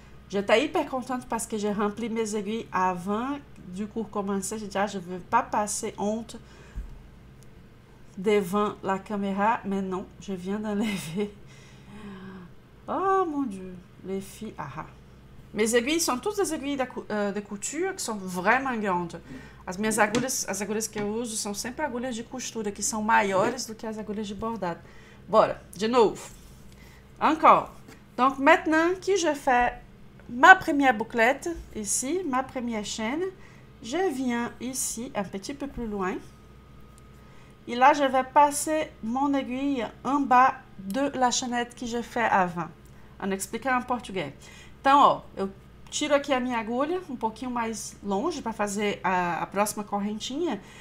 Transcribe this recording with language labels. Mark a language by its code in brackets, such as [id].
[fr] J'étais hyper contente parce que j'ai rempli mes aiguilles avant du cours commencé. J'ai dit, ah, je ne veux pas passer honte devant la caméra, mais non, je viens d'enlever. Oh mon Dieu, les filles. Ah. Mes aiguilles sont toutes des aiguilles de couture qui sont vraiment grandes. [pt] As agulhas que eu uso são sempre agulhas de costura que são maiores do que as agulhas de bordado. Bora, de novo. Encore. [fr] Donc maintenant que je fais ma première bouclette ici, ma première chaîne, je viens ici un petit peu plus loin. Et là, je vais passer mon aiguille en bas de la chaînette que j'ai fait avant. En expliquant en portugais. [pt] Então, ó, eu tiro aqui a minha agulha um pouquinho mais longe para fazer a próxima correntinha.